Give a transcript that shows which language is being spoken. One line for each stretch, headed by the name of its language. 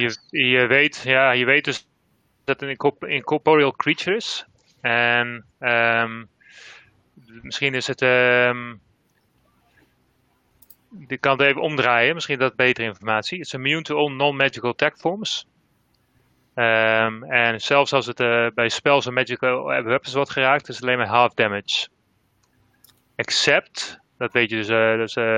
Dutch: Je weet, ja, je weet dus dat een incorporeal creature is. En misschien is het. Ik kan het even omdraaien, misschien dat betere informatie.
English: It's immune to all non-magical attack forms.
Dutch: En zelfs als het bij spells en magical weapons wordt geraakt, is het alleen maar half damage. Except, dat weet je dus.